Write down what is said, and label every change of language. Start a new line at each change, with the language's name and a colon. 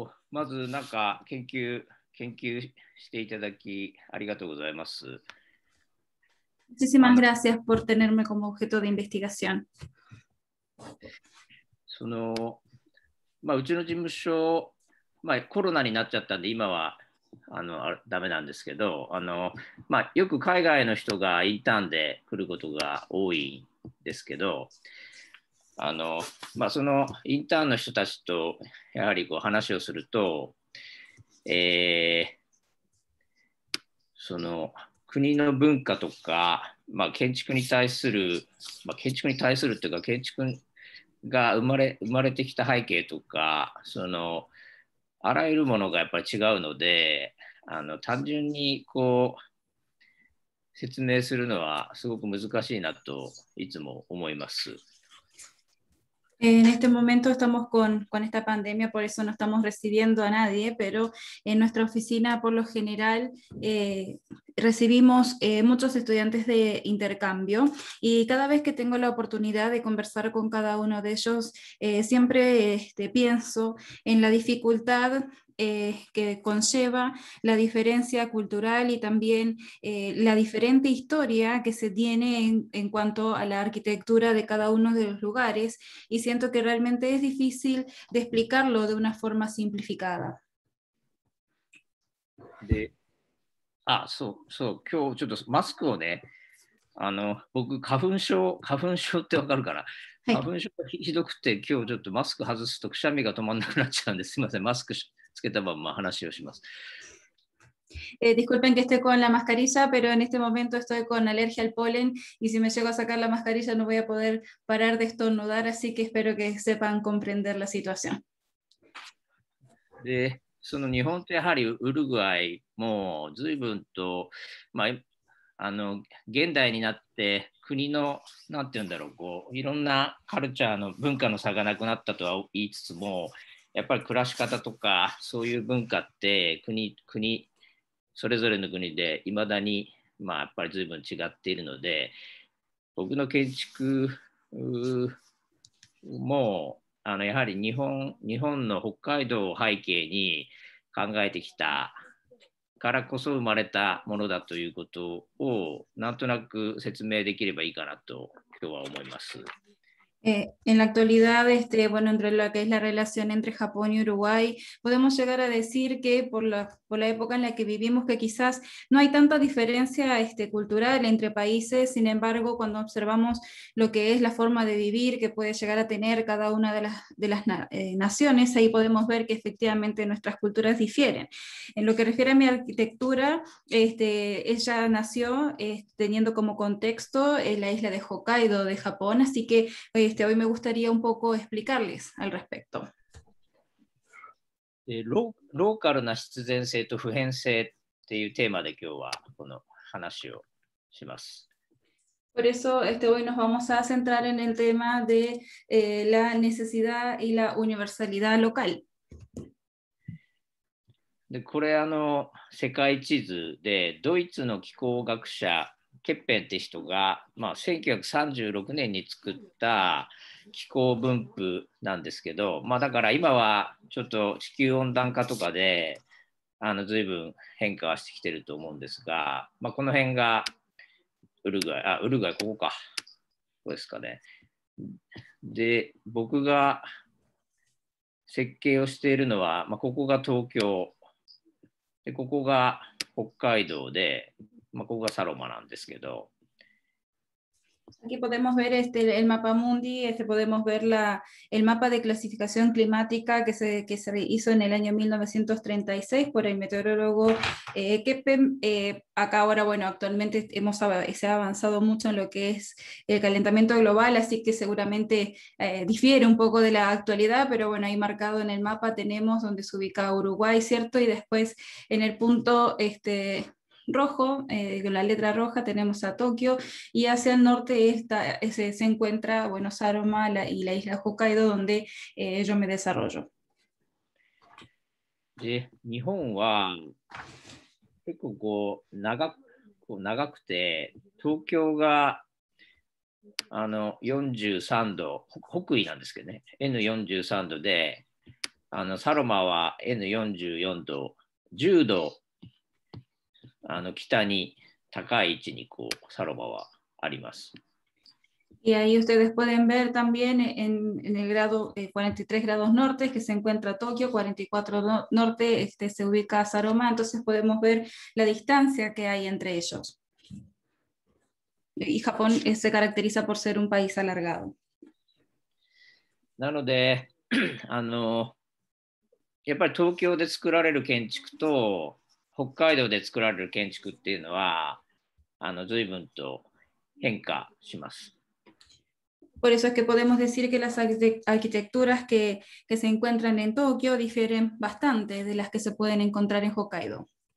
Japanese: まずなんか研究していただきありがとうございます。
Spanish: Muchísimas gracias por tenerme como objeto de investigación.
Japanese: その、まあ、うちの事務所、まあ、コロナになっちゃったんで今はダメなんですけど、まあ、よく海外の人がインターンで来ることが多いんですけど、まあ、そのインターンの人たちとやはりこう話をすると、その国の文化とか、まあ、建築に対する、まあ、建築に対するというか建築が生まれてきた背景とか、そのあらゆるものがやっぱり違うので、単純にこう説明するのはすごく難しいなといつも思います。
Spanish: En este momento estamos con esta pandemia, por eso no estamos recibiendo a nadie, pero en nuestra oficina por lo general recibimos muchos estudiantes de intercambio y cada vez que tengo la oportunidad de conversar con cada uno de ellos, siempre pienso en la dificultad que conlleva la diferencia cultural y también la diferente historia que se tiene en cuanto a la arquitectura de cada uno de los lugares, y siento que realmente es difícil de explicarlo de una forma simplificada.
Japanese: De... Ah, so, so, 今日ちょっとマスクをね、僕花粉症ってわかるかな？はい。花粉症ひどくて今日ちょっとマスク外すとくしゃみが止まんなくなっちゃうんで、すみません、マスクし。つけたまま話をします。
Spanish: Disculpen que esté con la mascarilla, pero en este momento estoy con alergia al polen y si me llego a sacar la mascarilla no voy a poder parar de estornudar, así que espero que sepan comprender la situación.
Japanese: で、その日本とやはりウルグアイも随分と、まあ、現代になって国のなんていうんだろう、こういろんなカルチャーの文化の差がなくなったとは言いつつも、やっぱり暮らし方とかそういう文化って国それぞれの国でいまだに、まあ、やっぱり随分違っているので、僕の建築もやはり日本の北海道を背景に考えてきたからこそ生まれたものだということをなんとなく説明できればいいかなと今日は思います。
Spanish: En la actualidad, bueno, entre lo que es la relación entre Japón y Uruguay, podemos llegar a decir que por la época en la que vivimos, que quizás no hay tanta diferencia cultural entre países, sin embargo, cuando observamos lo que es la forma de vivir que puede llegar a tener cada una de las naciones, ahí podemos ver que efectivamente nuestras culturas difieren. En lo que refiere a mi arquitectura, ella nació teniendo como contexto la isla de Hokkaido de Japón, así que hoy me gustaría un poco explicarles al respecto.
Japanese: Local な必然性と普遍性っていうテーマで今日はこの話をします。
Spanish: Por eso hoy nos vamos a centrar en el tema de la necesidad y la universalidad local.
Japanese: で、これ世界地図でドイツの気候学者ケッペンって人が、まあ、1936年に作った気候分布なんですけど、まあ、だから今はちょっと地球温暖化とかで随分変化はしてきてると思うんですが、まあ、この辺がウルグアイここか、ここですかね。で、僕が設計をしているのは、まあ、ここが東京で、ここが北海道で、まあ、ここがサロマなんですけど。
Spanish: Aquí podemos ver el mapa mundi, podemos ver el mapa de clasificación climática que se hizo en el año 1936 por el meteorólogo Keppen. Acá ahora, bueno, actualmente se ha avanzado mucho en lo que es el calentamiento global, así que seguramente difiere un poco de la actualidad, pero bueno, ahí marcado en el mapa tenemos donde se ubica Uruguay, ¿cierto? Y después en el punto... rojo, con la letra roja tenemos a Tokio, y hacia el norte se encuentra Buenos Aires y la isla Hokkaido donde yo me desarrollo.
Japanese: De, 日本は結構こう長くて、東京があの43度、北緯なんですけどね、N43 度で、あのサロマは N44 度、10度あの北に高い位置にこうサロマはあります。
Spanish: Y ahí ustedes pueden ver también en el grado 43 grados norte que se encuentra Tokio, 44 norte este, se ubica Saroma, entonces podemos ver la distancia que hay entre ellos. Y Japón se caracteriza por ser un país alargado.
Japanese: なので、あの、やっぱり東京で作られる建築と北海道で作られる建築っていうのは、あの、随分と変化します。
Spanish: Por eso es que podemos decir que las arquitecturas que se encuentran en Tokio difieren bastante de las que se pueden encontrar en Hokkaido.